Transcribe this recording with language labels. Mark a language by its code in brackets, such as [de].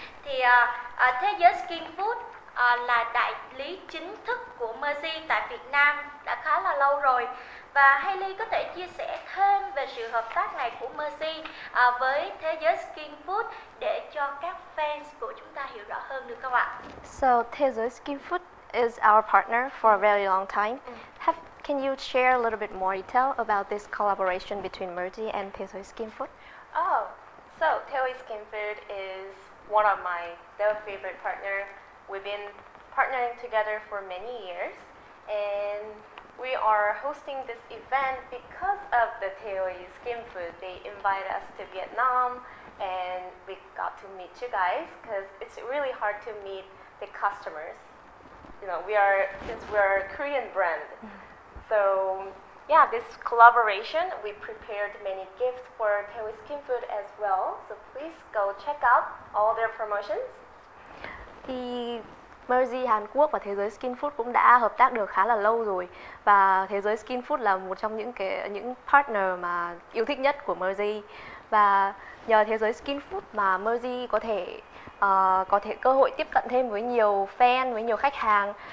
[vi] Thì Thế Giới Skin Food là đại lý chính thức của Mercy tại Việt Nam đã khá là lâu rồi. Và Hailey có thể chia sẻ thêm về sự hợp tác này của Mercy với Thế Giới Skin Food để cho các fans của chúng ta hiểu rõ hơn được không ạ? [en] So Thế Giới Skin Food is our partner for a very long time. Can you share a little bit more detail about this collaboration between Mercy and Thế Giới Skin Food? Oh, so Thế Giới Skin Food is one of my very favorite partner. We've been partnering together for many years, and we are hosting this event because of the Thế Giới Skin Food. They invite us to Vietnam, and we got to meet you guys because it's really hard to meet the customers. You know, since we are a Korean brand, so. Yeah, this collaboration, we prepared many gifts for Thế Giới Skin Food as well. So please go check out all their promotions. [vi] Thì Mercy Hàn Quốc và Thế Giới Skin Food cũng đã hợp tác được khá là lâu rồi. Và Thế Giới Skin Food là một trong những partner mà yêu thích nhất của Mercy. Và nhờ Thế Giới Skin Food mà Mercy có thể cơ hội tiếp cận thêm với nhiều fan, với nhiều khách hàng.